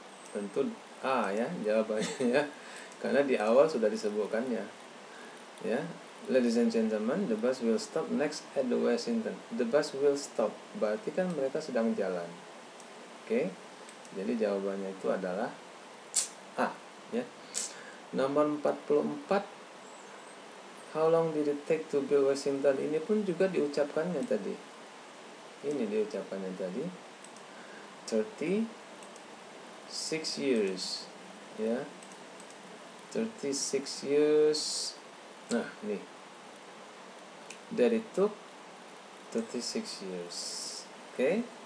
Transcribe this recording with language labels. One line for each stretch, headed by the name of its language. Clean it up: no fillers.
Indonesian: Tentu A ya jawabannya, karena di awal sudah disebutkannya.
English: Ya, ladies and gentlemen, the bus will stop next at the Washington. The bus will stop,
Indonesian: berarti kan mereka sedang jalan. Oke, jadi jawabannya itu adalah A. Ya. Nomor 44,
English: how long did it take to build Washington?
Indonesian: Ini pun juga diucapkannya tadi. Ini diucapkannya tadi.
English: 36 years.
Indonesian: Ya. Yeah.
English: 36 years.
Indonesian: Nah, nih.
English: That it took 36 years. Oke. Okay.